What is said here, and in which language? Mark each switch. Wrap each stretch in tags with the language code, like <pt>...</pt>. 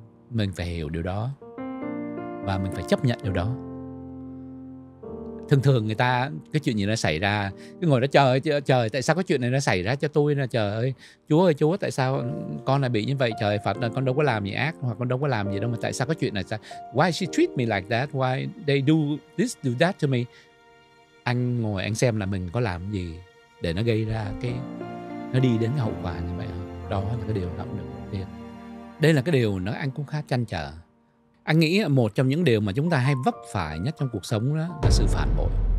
<vi>Mình phải hiểu điều đó và mình phải chấp nhận điều đó. Thường thường người ta cái chuyện gì nó xảy ra, cái ngồi đó trời ơi trời, tại sao cái chuyện này nó xảy ra cho tôi nè, trời ơi Chúa tại sao con lại bị như vậy, trời ơi, Phật ơi, con đâu có làm gì ác hoặc con đâu có làm gì đâu mà tại sao cái chuyện này sao?</vi> <en>Why she treat me like that? Why they do this do that to me?</en> <vi>Anh ngồi anh xem là mình có làm gì để nó gây ra cái, nó đi đến cái hậu quả như vậy không? Đó là cái điều động lực đầu tiên. Đây là cái điều nó anh cũng khá chăn trở. Anh nghĩ một trong những điều mà chúng ta hay vấp phải nhất trong cuộc sống đó là sự phản bội.</vi>